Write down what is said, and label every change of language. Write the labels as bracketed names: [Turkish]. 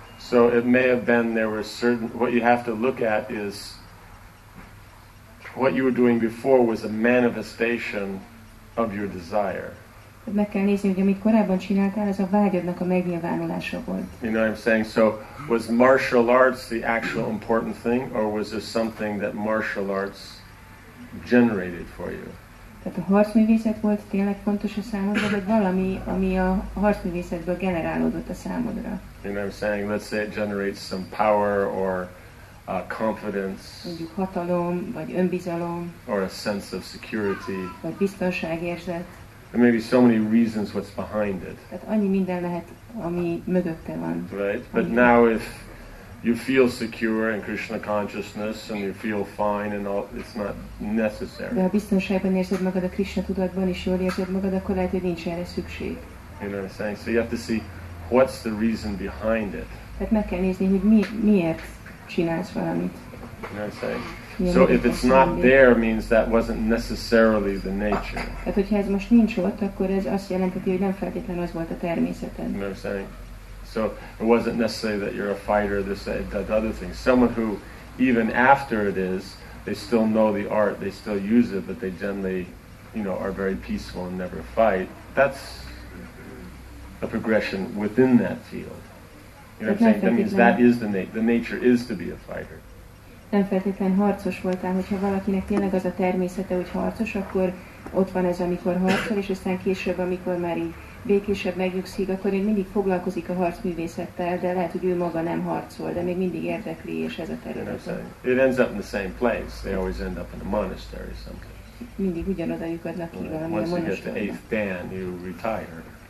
[English] So it may have been there were certain. What you have to look at is what you were doing before was a manifestation of your desire. [Hungarian] Meg kell nézni, hogy amit korábban csináltál, ez a vágyadnak a megnyilvánulása volt. [English] You know what I'm saying? So was martial arts the actual important thing, or was there something that martial arts generated for you? [Hungarian] Tehát a harcművészet volt tényleg fontos a számodra, vagy valami, ami a harcművészetből generálódott a számodra? [English] You know what I'm saying? Let's say it generates some power or confidence, [Hungarian] mondjuk hatalom, vagy önbizalom, [English] or a sense of security, [Hungarian] vagy biztonságérzet. [English] There may be so many reasons what's behind it. [Hungarian] Tehát annyi minden lehet, ami mögötte van. [English] Right, but now if you feel secure in Krishna consciousness and you feel fine and all, it's not necessary. [Hungarian] De ha biztonságban érzed magad a Krishna tudatban és jól érzed magad, akkor lehet, hogy nincs erre szükség. [English] You know what I'm saying? So you have to see what's the reason behind it. [Hungarian] Tehát meg kell nézni, hogy miért csinálsz valamit. [English] You know what I'm saying? So if it's not there, means that wasn't necessarily the nature. [Hungarian] Tehát hogyha ez most nincs ott, akkor ez azt jelenti, hogy nem feltétlenül az volt a természeted. [English] You know what I'm saying? So it wasn't necessarily that you're a fighter, this, that, other thing. Someone who, even after it is, they still know the art, they still use it, but they generally, you know, are very peaceful and never fight. That's a progression within that field. You know what I'm saying? That means that is the nature is to be a fighter. [Hungarian] Nem feltétlenül harcos voltál, hogyha valakinek tényleg az a természete, hogy harcos, akkor ott van ez, amikor harcol, és aztán később, amikor már így békésebb megnyugszik, akkor én mindig foglalkozik a harcművészettel, de lehet, hogy ő maga nem harcol, de még mindig érdekli, és ez a terület. [English] You know, it ends up in the same place. They always end up in a monastery someplace. [Hungarian] Mindig ugyanoda lyukadnak ki valami [English] once a monastery. Once you get the eighth dan, you retire.